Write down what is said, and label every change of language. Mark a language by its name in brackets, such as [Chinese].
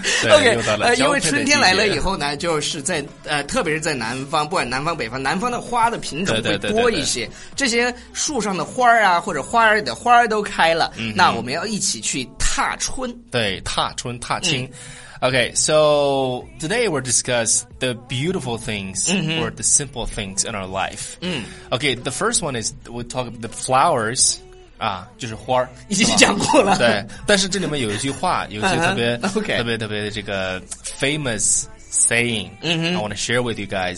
[Chinese] OK， 因为春天来了以后呢，就是在特别是在南方，不管南方北方，南方的花的品种会多一些。对对对对对，这些树上的花啊，或者花的花都开了，那我们要一起去踏春。对，踏春踏青。 [English] OK, so today we'll discuss the beautiful things or the simple things in our life. OK, the first one is we'll talk about the flowers. [Chinese] 啊，就是花已经讲过了。对，但是这里面有一句话，有一句特别、 [English] okay. [Chinese] 特别特别的这个 [English] famous saying、I want to share with you guys.